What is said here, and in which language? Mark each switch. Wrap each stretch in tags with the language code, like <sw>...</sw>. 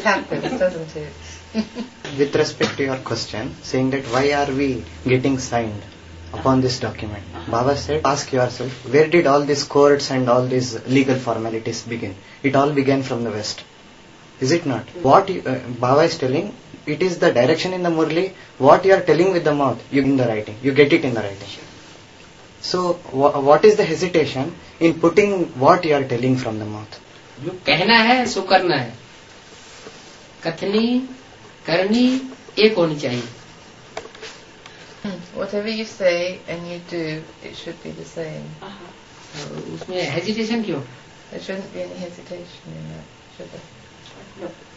<en>With respect to your question, saying that why are we getting signed upon this document, Baba said, ask yourself, where did all these courts and all these legal formalities begin? It all began from the West. Is it not? What Baba is telling, it is the direction in the Murli, what you are telling with the mouth, you in the writing, you get it in the writing. So what is the hesitation in putting what you are telling from the mouth?</en> <hi>जो कहना है सो करना है कथनी करनी एक होनी चाहिए</hi> <en>Whatever you say and you do, it should be the same.</en> <hi>उसमें हेजिटेशन क्यों</hi> <en>There shouldn't be any hesitation in that, should there?</en>